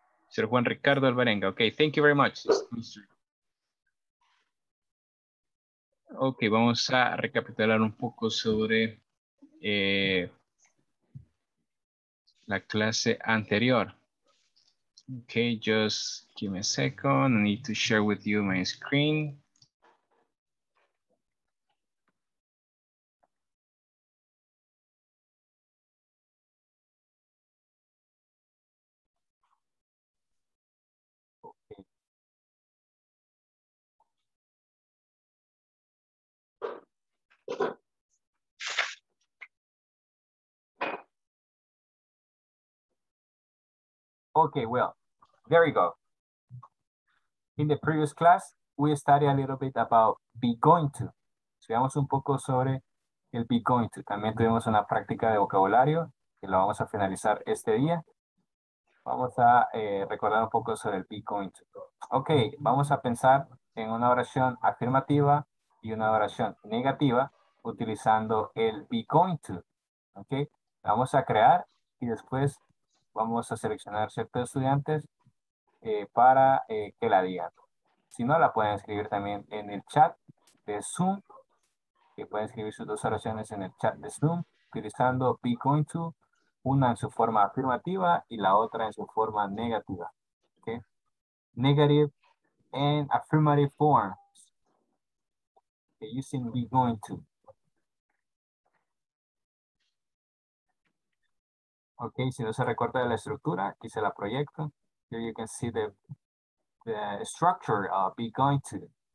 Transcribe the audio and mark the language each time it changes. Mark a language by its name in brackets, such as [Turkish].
[English] Sir Juan Ricardo Alvarenga. Okay, thank you very much. [Spanish] Okay, vamos a recapitular un poco sobre la clase anterior. [English] Okay, just give me a second. I need to share with you my screen. Okay, well, there you go. In the previous class, we studied a little bit about be going to, [Spanish] estudiamos un poco sobre el be going to. También tuvimos una práctica de vocabulario que la vamos a finalizar este día. Vamos a recordar un poco sobre el be going to. Ok, vamos a pensar en una oración afirmativa y una oración negativa utilizando el be going to. Ok, vamos a crear y después vamos a seleccionar ciertos estudiantes para que la digan. Si no, la pueden escribir también en el chat de Zoom. Que pueden escribir sus dos oraciones en el chat de Zoom utilizando be going to, una en su forma afirmativa y la otra en su forma negativa. Okay. [English] Negative and affirmative forms. Okay, using be going to. [Spanish] Ok, si no se recuerda de la estructura, aquí se la proyecto. [English] Here you can see the structure of be going to.